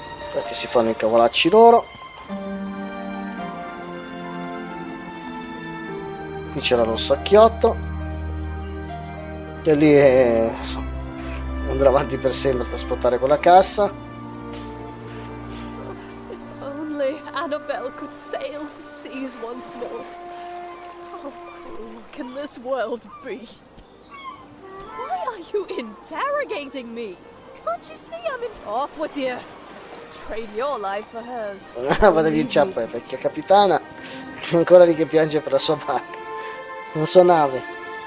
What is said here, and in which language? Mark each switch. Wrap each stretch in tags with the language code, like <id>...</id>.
<it>Questi si fanno i cavolacci loro. Qui c'era lo sacchiotto. E lì andrà avanti per sempre a trasportare quella cassa.</it> <en>If only Annabelle could sail the seas once more. How cruel can this world be? Why are you interrogating me? Can't you see I'm in off with you? Trade your life for hers.</en> <it>Vado via in ciappa, vecchia capitana. Ancora lì che piange per la sua barca, la sua nave.</it>